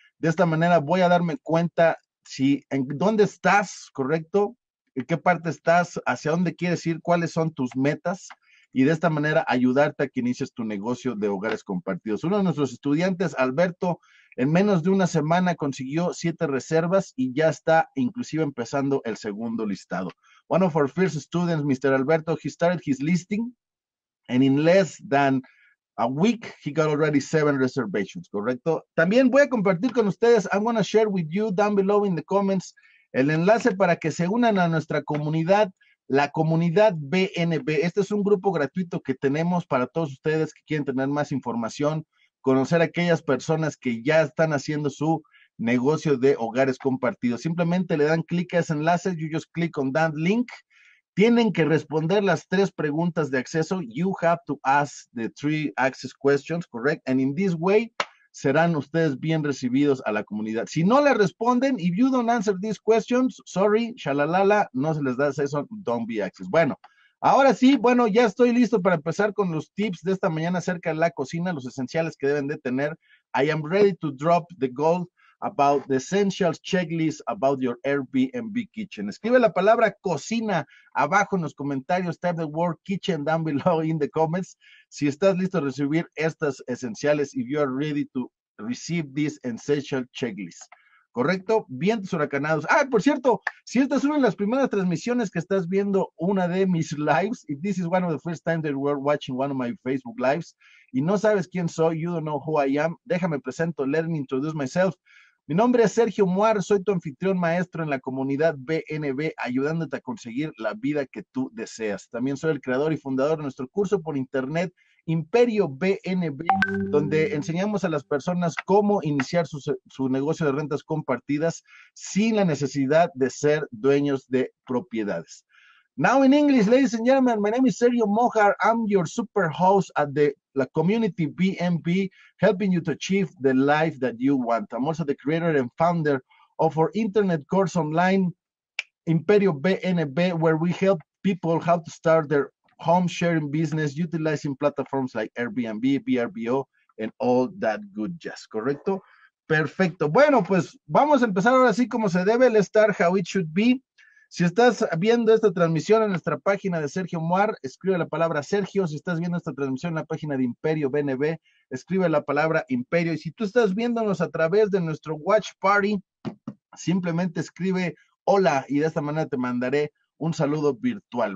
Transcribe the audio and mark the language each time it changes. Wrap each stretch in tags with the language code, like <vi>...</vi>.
<es>De esta manera voy a darme cuenta si en dónde estás, correcto, en qué parte estás, hacia dónde quieres ir, cuáles son tus metas. Y de esta manera ayudarte a que inicies tu negocio de hogares compartidos. Uno de nuestros estudiantes, Alberto, en menos de una semana consiguió 7 reservas y ya está inclusive empezando el segundo listado.</es> <en>One of our first students, Mr. Alberto, he started his listing and in less than a week, he got already 7 reservations, ¿correcto?</en> <es>También voy a compartir con ustedes,</es> <en>I'm going to share with you down below in the comments,</en> <es>el enlace para que se unan a nuestra comunidad. La comunidad BNB, este es un grupo gratuito que tenemos para todos ustedes que quieren tener más información, conocer a aquellas personas que ya están haciendo su negocio de hogares compartidos. Simplemente le dan clic a ese enlace,</es> <en>you just click on that link.</en> <es>Tienen que responder las 3 preguntas de acceso.</es> <en>You have to ask the 3 access questions, correct?</en> <es>And in this way, serán ustedes bien recibidos a la comunidad. Si no le responden,</es> <en>if you don't answer these questions, sorry, shalalala,</en> <es>no se les da acceso,</es> <en>don't be access.</en> <es>Bueno, ahora sí, bueno, ya estoy listo para empezar con los tips de esta mañana acerca de la cocina, los esenciales que deben de tener.</es> <en>I am ready to drop the gold about the essentials checklist about your Airbnb kitchen.</en> <es>Escribe la palabra cocina abajo en los comentarios,</es> <en>type the word kitchen down below in the comments.</en> <es>Si estás listo a recibir estas esenciales,</es> <en>if you are ready to receive this essential checklist.</en> <es>¿Correcto? Vientos huracanados. Ah, por cierto, si esta es una de las primeras transmisiones que estás viendo una de mis lives,</es> <en>if this is one of the first times that you are watching one of my Facebook lives,</en> <es>y no sabes quién soy,</es> <en>you don't know who I am,</en> <es>déjame presento,</es> <en>let me introduce myself.</en> <es>Mi nombre es Sergio Muar, soy tu anfitrión maestro en la comunidad BNB, ayudándote a conseguir la vida que tú deseas. También soy el creador y fundador de nuestro curso por internet, Imperio BNB, donde enseñamos a las personas cómo iniciar su negocio de rentas compartidas sin la necesidad de ser dueños de propiedades.</es> <en>Now in English, ladies and gentlemen, my name is Sergio Mojar. I'm your super host at the community BNB, helping you to achieve the life that you want. I'm also the creator and founder of our internet course online, Imperio BNB, where we help people how to start their home sharing business utilizing platforms like Airbnb, VRBO, and all that good jazz, ¿correcto?</en> <es>Perfecto. Bueno, pues vamos a empezar ahora sí como se debe,</es> <en>let's start how it should be.</en> <es>Si estás viendo esta transmisión en nuestra página de Sergio Moir, escribe la palabra Sergio. Si estás viendo esta transmisión en la página de Imperio BNB, escribe la palabra Imperio. Y si tú estás viéndonos a través de nuestro Watch Party, simplemente escribe hola y de esta manera te mandaré un saludo virtual.</es>